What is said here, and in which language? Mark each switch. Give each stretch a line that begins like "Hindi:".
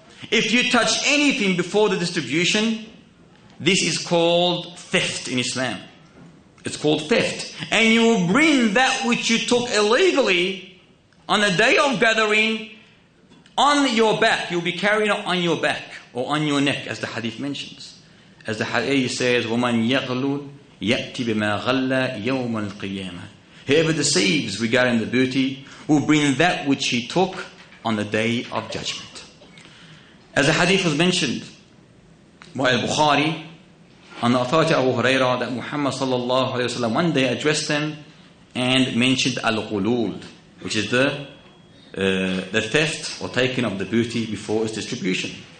English: If you touch anything before the distribution, this is called theft in Islam. It's called theft. And you will bring that which you took illegally on the day of gathering on your back. You'll be carrying it on your back or on your neck, as the hadith mentions. As the hadith says,
Arabic: وَمَنْ يَغْلُوا يَأْتِ بِمَا غَلَّ يَوْمَ الْقِيَامَةِ.
English: Whoever deceives regarding the booty will bring that which he took on the day of judgment. As the hadith was mentioned by Al-Bukhari, on the authority of Abu Huraira, that Muhammad sallallahu alayhi wa sallam one day addressed them and mentioned Al-Qulul, which is the theft or taking of the booty before its distribution.